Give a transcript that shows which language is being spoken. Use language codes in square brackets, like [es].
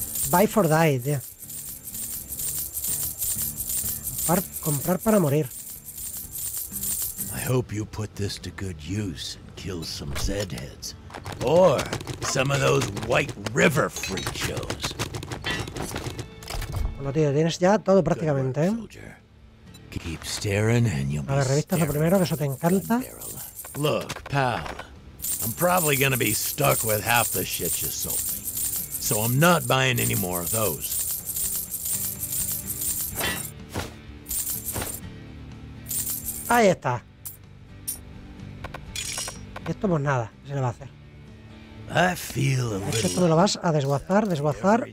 [en] Buy for die, [es] tío. Comprar para morir. [en] I hope you put this to good use and kill some Zed heads. Or some of those White River freak shows. [es] Bueno, tío, tienes ya todo prácticamente, [en] Keep staring and you'll [es] a la revista lo primero, que eso te encanta. [en] Look, pal, I'm probably gonna be stuck with half the shit you sold me. So I'm not buying any more of those. [es] Ahí está. Y esto pues nada, se le va a hacer. Esto todo lo vas a desguazar, desguazar.